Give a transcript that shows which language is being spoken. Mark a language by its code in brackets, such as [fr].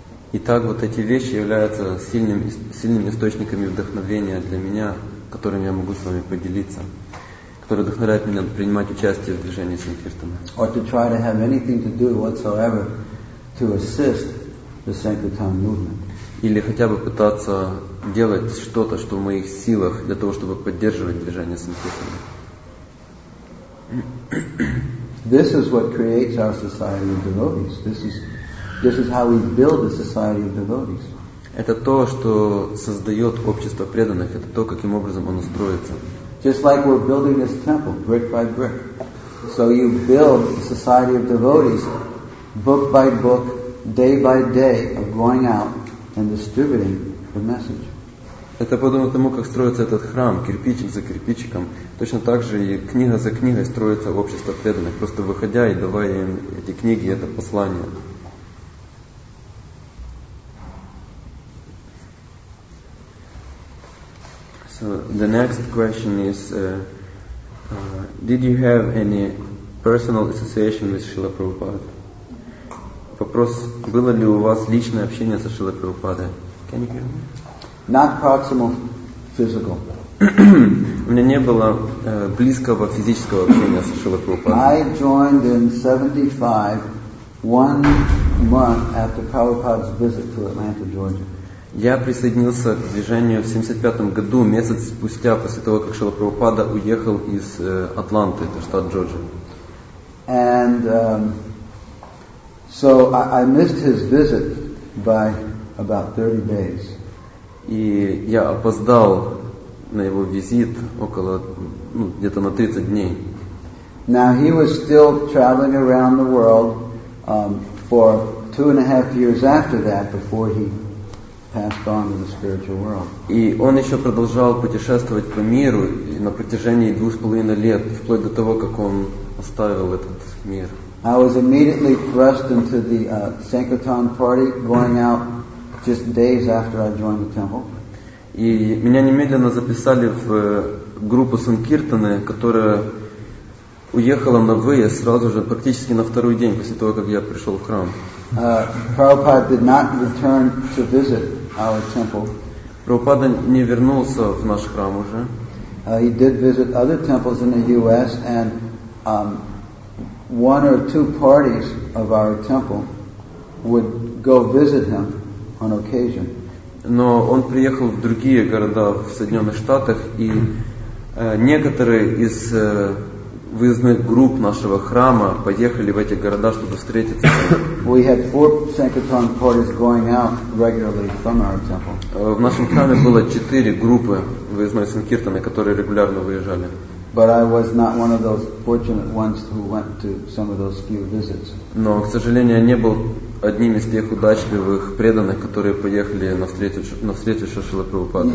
[ru] Итак, вот эти вещи являются сильными источниками вдохновения для меня, которыми я могу с вами поделиться, которые вдохновляют меня принимать участие в движении санкиртаны. [en] Or to try to have anything to do whatsoever to assist the sanctitam movement. [ru] Или хотя бы пытаться делать что-то, что в моих силах для того, чтобы поддерживать движение санкиртаны. [en] This is what creates our society of devotees. This is how we build the society of devotees. [ru] Это то, что создает общество преданных. Это то, каким образом оно строится. [en] Just like we're building this temple, brick by brick. So you build the society of devotees, book by book, day by day, of going out and distributing the message. [ru] Это подобно тому, как строится этот храм, кирпичик за кирпичиком. Точно так же и книга за книгой строится общество преданных, просто выходя и давая им эти книги, это послание. [en] So the next question is, did you have any personal association with Srila Prabhupada? [ru] Вопрос, было ли у вас личное общение со Шрилой Прабхупадой? [en] Can you hear me? Not proximal, physical. [ru] У меня не было близкого физического общения со Шрилой Прабхупадой. [en] I joined in 75, 1 month after Prabhupada's visit to Atlanta, Georgia. [ru] Я присоединился к движению в 75 году, месяц спустя, после того, как Шрила Прабхупада уехал из Атланты, это штат Джорджия. [en] And so I missed his visit by about 30 days. [ru] И я опоздал на его визит около, ну, где-то на 30 дней. [en] Now he was still traveling around the world for 2.5 years after that, before he passed on to the spiritual world. [ru] И он еще продолжал путешествовать по миру на протяжении 2.5 лет, вплоть до того, как он оставил этот мир. [en] I was immediately thrust into the Sankirtan party, going out just days after I joined the temple. [ru] И меня немедленно записали в группу Санкиртаны, которая уехала на выезд сразу же, практически на второй день после того, как я пришел в храм. [en] Prabhupada did not return to visit our temple. [ru] Prabhupada не вернулся в наш храм уже. [en] He did visit other temples in the U.S. and one or two parties of our temple would go visit him on occasion. [ru] Но он приехал в другие города в Соединенных Штатах, и некоторые из выездных групп нашего храма поехали в эти города, чтобы встретиться. [en] We had 4 sankirtan parties going out regularly from our temple. [ru] В нашем храме было 4 группы выездной санкиртаны, которые регулярно выезжали. [en] But I was not one of those fortunate ones who went to some of those few visits. [ru] Но, к сожалению, я не был одним из тех удачливых преданных, которые поехали на встречу Шрилы Прабхупады.